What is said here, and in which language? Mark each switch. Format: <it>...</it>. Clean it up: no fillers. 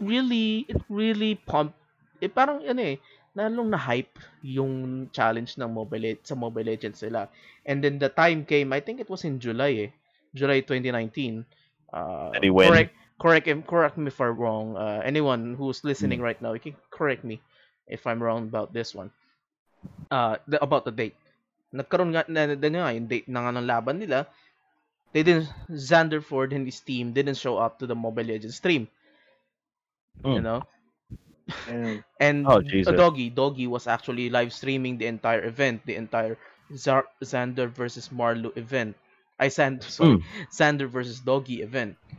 <en>it really pumped.</en> <tl>It parang yun eh. Nalong na-hype yung challenge ng Mobile Legends sila.</tl> <en>And then the time came, I think it was in July eh. July 2019. Anyway. Correct me if I'm wrong. Anyone who's listening right now, you can correct me if I'm wrong about this one. About the date.</en> <tl>Nagkaroon nga, yung date na nga ng laban nila.</tl> <en>They didn't, Xander Ford and his team didn't show up to the Mobile Legends stream. You know? And Doggy was actually live streaming the entire event, the entire Xander versus Marlou event. Xander versus Doggy event.</en>